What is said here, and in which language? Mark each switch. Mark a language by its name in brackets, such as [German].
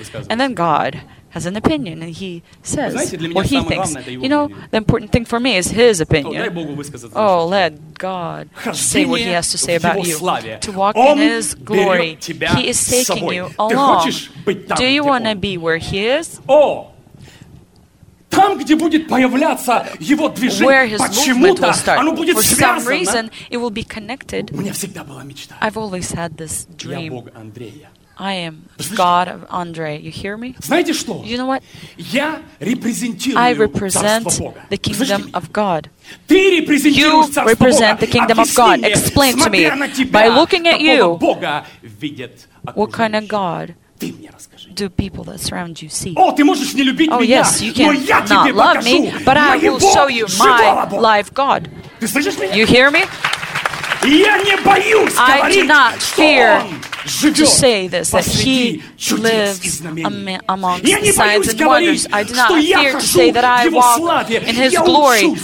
[English] And then God has an opinion, and he says what he thinks. You know, the important thing for me is his opinion. Oh, let God say what he has to say about you. To walk in his glory, he is taking you along. Do you want to be where he is? Oh! [Russian] Там, где будет появляться его движение, почему-то оно будет связано. Мне всегда была мечта. [English] I've always had this dream. [Russian] Я Бог Андрея. [English] I am God of Andre. You hear me? [Russian] Знаете что? [English] You know what? [Russian] Я репрезентирую царство Бога. [English] The kingdom of God. [Russian] Ты репрезентируешь царство Бога. [English] You represent the kingdom of God. Explain to me. By looking at you, [Russian] Бога видят окружающие. [English] What kind of God? [Russian] Ты мне расскажи. [English] Do people that surround you see? [Russian] Oh, ты можешь не любить меня, [English] yes, you can not love me, but I will show you my live God. [Russian] Ты слышишь меня? [English] You hear me? [Russian] Я не боюсь говорить, [English] I do not fear to say this, that he lives amongst the signs and wonders. I do not fear to say that I walk in his glory.